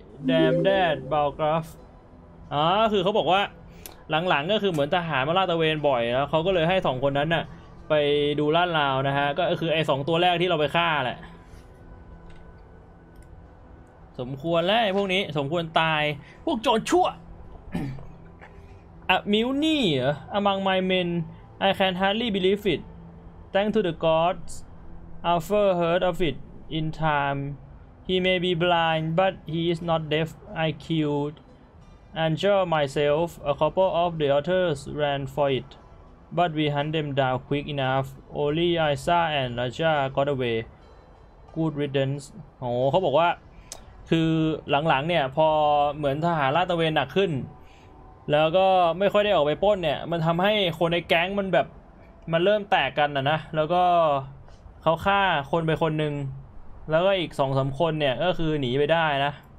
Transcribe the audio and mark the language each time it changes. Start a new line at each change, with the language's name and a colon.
English: Damn that, Balgraf.
Thai: คือเขาบอกว่าหลังๆก็คือเหมือนทหารมาลาดตระเวนบ่อยแล้วเขาก็เลยให้สองคนนั้นน่ะไปดูลาดราวนะฮะก็คือไอ้สองตัวแรกที่เราไปฆ่าแหละสมควรแล้วไอ้พวกนี้สมควรตายพวกโจรชั่ว
English: Amilni among my men. I can hardly believe it. Thanks to the gods, Alpha heard of it. In time, he may be blind, but he is not deaf. I killed Angel myself. A couple of the others ran for it, but we hunt them down quick enough. Only Isa and Raja got away. Good riddance.
Thai: โอ้เขาบอกว่าคือหลังๆเนี่ยพอเหมือนทหารลาดตระเวนหนักขึ้นแล้วก็ไม่ค่อยได้ออกไปปล้นเนี่ยมันทำให้คนในแก๊งมันแบบมันเริ่มแตกกันนะแล้วก็เขาฆ่าคนไปคนนึงแล้วก็อีก 2-3 คนเนี่ยก็คือหนีไปได้นะ